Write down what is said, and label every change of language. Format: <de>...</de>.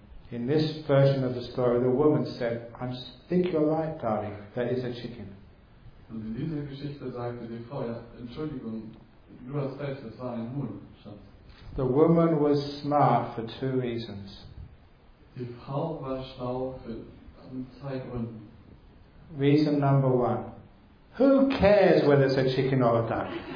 <en>In this version of the story, the woman said, "I think you're right, darling, that is a chicken."</en> <de>Und in dieser Geschichte sagte die Frau, "Ja, Entschuldigung, du hast recht, das war ein Huhn, Schatz."</de> <en>The woman was smart for two reasons.</en> <de>Die Frau war schlau für zwei Gründen.</de> <en>Reason number one. Who cares whether it's a chicken or a duck?</en>